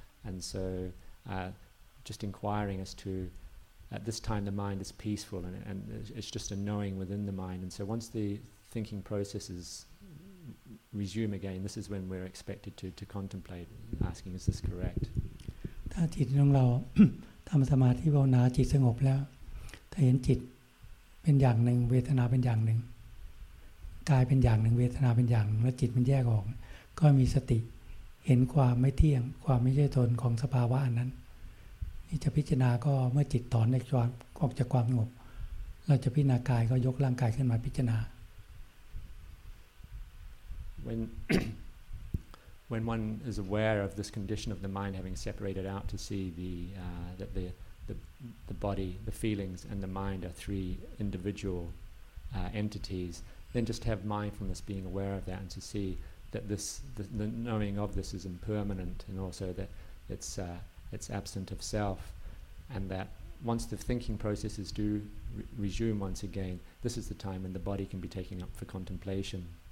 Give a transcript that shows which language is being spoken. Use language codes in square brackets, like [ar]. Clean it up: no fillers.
[en] And so, just inquiring as to at this time the mind is peaceful and it's just a knowing within the mind, and so once the thinking processes resume again, this is when we're expected to contemplate, asking is this correct. [th] ถ้าจิตของเราทำสมาธิภาวนาจิตสงบแล้วถ้าเห็นจิตเป็นอย่างหนึ่งเวทนาเป็นอย่างหนึ่งกายเป็นอย่างหนึ่งเวทนาเป็นอย่างหนึ่งและจิตมันแยกออกก็มีสติเห็นความไม่เที่ยงความไม่ใช่ตนของสภาวะนั้นจะพิจารณาก็เมื่อจิตถอนในจอมออกจากความสงบเราจะพิจารณากายก็ยกร่างกายขึ้นมาพิจารณา [en] when one is aware of this condition of the mind having separated out to see the body, the feelings and the mind are three individual entities, then just have mindfulness being aware of that and to see that this the knowing of this is impermanent and also that it's absent of self, and that once the thinking processes do resume once again, this is the time when the body can be taken up for contemplation.